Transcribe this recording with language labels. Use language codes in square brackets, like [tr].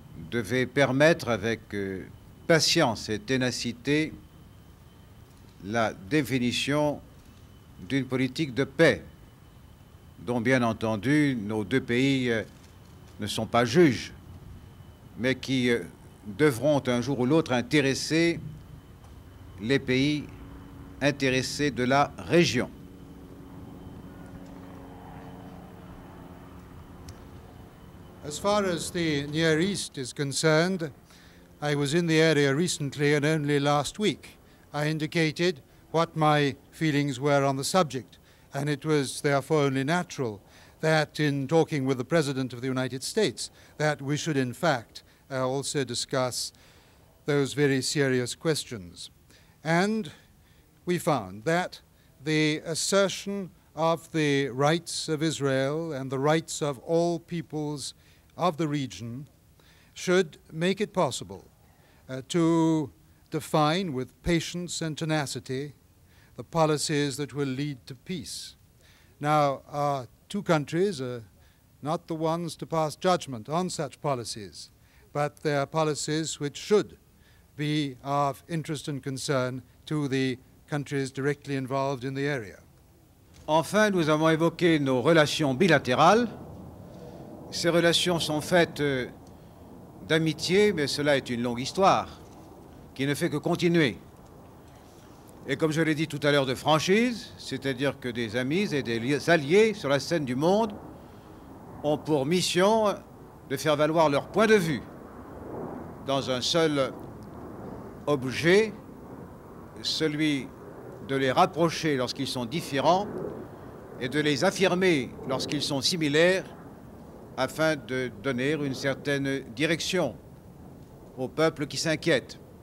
[fr] devait permettre avec patience et ténacité la définition d'une politique de paix, dont bien entendu nos deux pays ne sont pas juges, mais qui devront un jour ou l'autre intéresser les pays intéressés de la région. [en] As far as the Near East is concerned, I was in the area recently and only last week. I indicated what my feelings were on the subject, and it was therefore only natural that in talking with the President of the United States that we should in fact also discuss those very serious questions. And we found that the assertion of the rights of Israel and the rights of all peoples of the region should make it possible to define with patience and tenacity the policies that will lead to peace. Now, our two countries are not the ones to pass judgment on such policies, but they are policies which should be of interest and concern to the countries directly involved in the area. [fr] Enfin, nous avons évoqué nos relations bilatérales. Ces relations sont faites d'amitié, mais cela est une longue histoire qui ne fait que continuer. Et comme je l'ai dit tout à l'heure, de franchise, c'est-à-dire que des amis et des alliés sur la scène du monde ont pour mission de faire valoir leur point de vue dans un seul objet, celui de les rapprocher lorsqu'ils sont différents et de les affirmer lorsqu'ils sont similaires afin de donner une certaine direction au peuple qui s'inquiète.